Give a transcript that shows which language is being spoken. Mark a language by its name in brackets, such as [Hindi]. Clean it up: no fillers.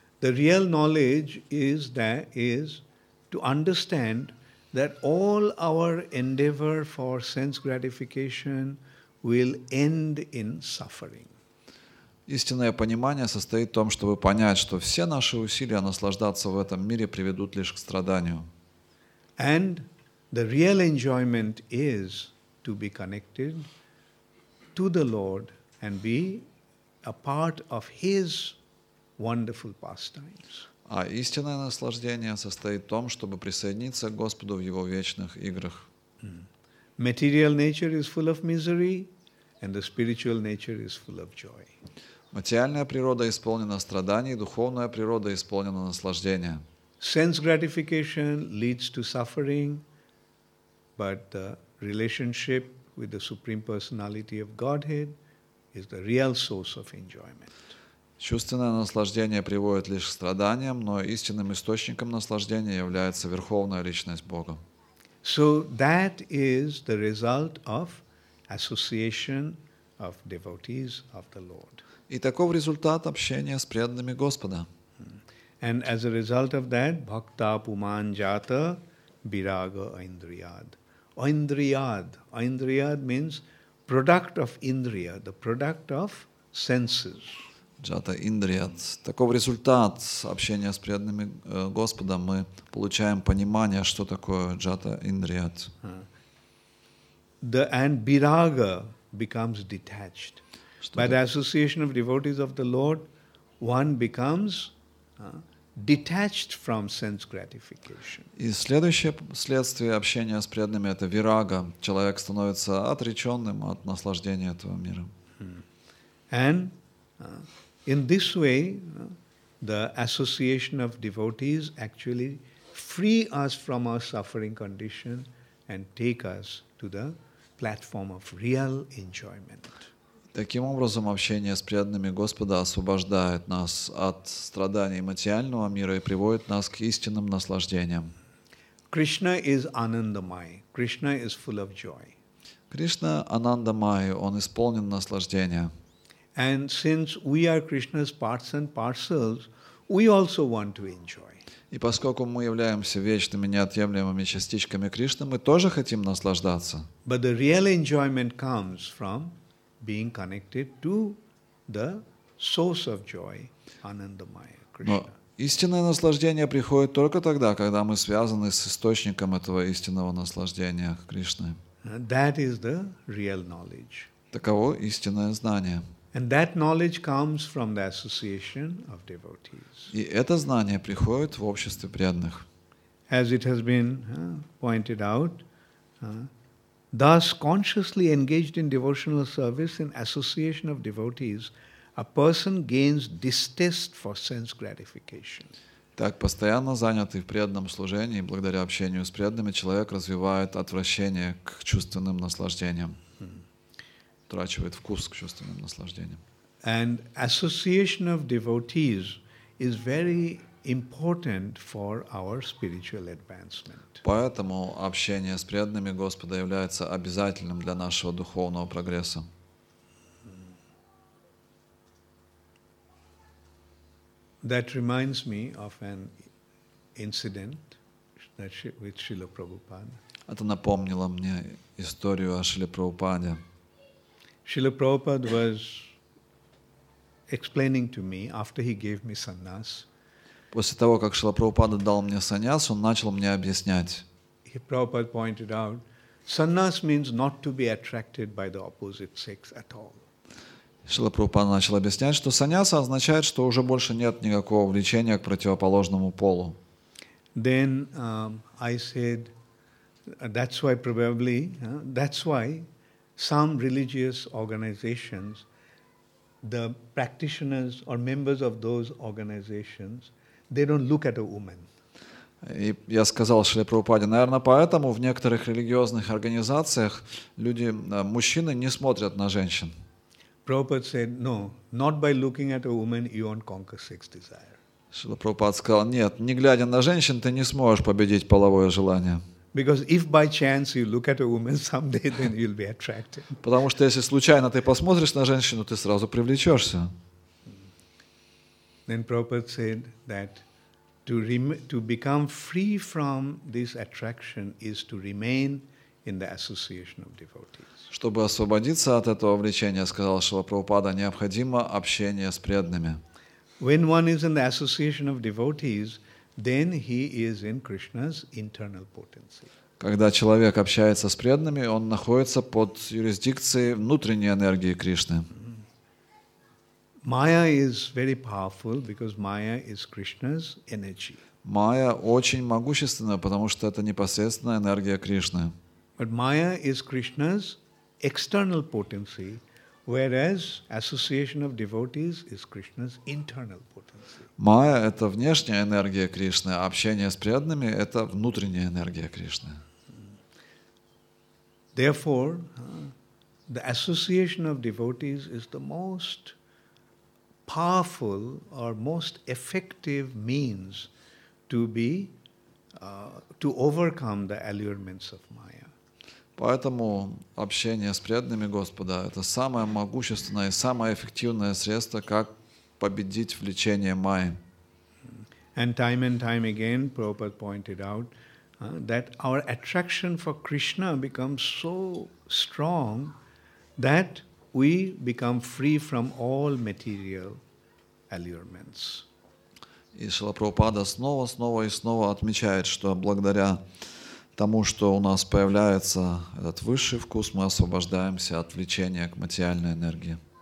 [English] The real knowledge is that is to understand that all our endeavor for sense gratification will end in suffering. [Russian] Истинное понимание состоит в том, чтобы понять, что все наши усилия наслаждаться в этом мире приведут лишь к страданию. [English] And the real enjoyment is to be connected to the Lord and be a part of His wonderful pastimes. [Russian] А истинное наслаждение состоит в том, чтобы присоединиться к Господу в Его вечных играх. [English] Material nature is full of misery, and the spiritual nature is full of joy. [Russian] Материальная природа исполнена страданий, духовная природа исполнена наслаждения. [English] Sense gratification leads to suffering, but the relationship with the Supreme Personality of Godhead is the real source of enjoyment. [Russian] Чувственное наслаждение приводит лишь к страданиям, но истинным источником наслаждения является Верховная Личность Бога. [English] So that is the result of association of devotees of the Lord. [Russian] И таков результат общения с преданными Господа. [English] And as a result of that, [Sanskrit] bhakta puman jata biraga indriyad. [English] Indriyad, indriyad means product of indriya, the product of senses. [Sanskrit] Jata indriyad. [Russian] Таков результат общения с преданными Господа. Мы получаем понимание, что такое [Sanskrit] jata indriyad. [English] And biraga becomes detached. By the association of devotees of the Lord, one becomes detached from sense gratification. [Russian] И следующее следствие общения с преданными — это вирага. Человек становится отреченным от наслаждения этого мира. [English] And in this way, the association of devotees actually free us from our suffering condition and take us to the platform of real enjoyment. [Russian] Таким образом, общение с преданными Господа освобождает нас от страданий материального мира и приводит нас к истинным наслаждениям. [English] Krishna is anandamai. Krishna is full of joy. [Russian] Кришна анандамай, он исполнен наслаждения. [English] And since we are Krishna's parts and parcels, we also want to enjoy. [Russian] И поскольку мы являемся вечными, неотъемлемыми частичками Кришны, мы тоже хотим наслаждаться. [English] But the real enjoyment comes from being connected to the source of joy, Anandamaya Krishna. [Russian] Истинное наслаждение приходит только тогда, когда мы связаны с источником этого истинного наслаждения Кришны. [English] That is the real knowledge. [Russian] Таково истинное знание. [English] And that knowledge comes from the association of devotees. [Russian] И это знание приходит в обществе преданных. [English] As it has been pointed out, thus, consciously engaged in devotional service in association of devotees, a person gains distaste for sense gratification. [Russian] Так, постоянно занятый в преданном служении, благодаря общению с преданными, человек развивает отвращение к чувственным наслаждениям. Утрачивает вкус к чувственным наслаждениям. [English] And association of devotees is very important for our spiritual advancement. [Russian] Поэтому общение с преданными Господа является обязательным для нашего духовного прогресса. [English] That reminds me of an incident that with Srila Prabhupada. [Russian] Это напомнило мне историю о Шриле Прабхупаде. [English] Srila Prabhupada was explaining to me after he gave me sannyas. [Russian] После того, как Шрила Прабхупада дал мне саньяс, он начал мне объяснять. [English] Prabhupada pointed out, sannyas means not to be attracted by the opposite sex at all. [Russian] Шрила Прабхупада начал объяснять, что саньяса означает, что уже больше нет никакого влечения к противоположному полу. [English] Then I said, that's why probably, that's why some religious organizations, the practitioners or members of those organizations, they don't look at a woman. [Russian] И я сказал Шриле Прабхупаде, наверное, поэтому в некоторых религиозных организациях люди, мужчины, не смотрят на женщин. [English] Prabhupada said, no, not by looking at a woman you won't conquer sex desire. [Russian] Шрила Прабхупада сказал, нет, не глядя на женщин, ты не сможешь победить половое желание. [English] Because if by chance you look at a woman someday, then you'll be attracted. [Russian] Потому что если случайно ты посмотришь на женщину, ты сразу привлечешься. [English] Then Prabhupada said that to become free from this attraction is to remain in the association of devotees. [Russian] Чтобы освободиться от этого влечения, сказал Шрила Прабхупада, необходимо общение с преданными. [English] When one is in the association of devotees, then he is in Krishna's internal potency. [Russian] Когда человек общается с преданными, он находится под юрисдикцией внутренней энергии Кришны. [English] Maya is very powerful because Maya is Krishna's energy. [Russian] Maya очень могущественна, потому что это непосредственная энергия Кришны. [English] But Maya is Krishna's external potency, whereas association of devotees is Krishna's internal potency. [Russian] Maya это внешняя энергия Кришны, а общение с преданными это внутренняя энергия Кришны. [English] Therefore, the association of devotees is the most powerful or most effective means to overcome the allurements of Maya. [Russian] Поэтому общение с преданными Господа — это самое могущественное и самое эффективное средство, как победить влечение Майи. [English] And time again, Prabhupada pointed out that our attraction for Krishna becomes so strong that we become free from all material allurements. [Russian] И Шрила Прабхупада снова и снова отмечает, что благодаря тому, что у нас появляется этот высший вкус, мы освобождаемся от влечения к материальной энергии.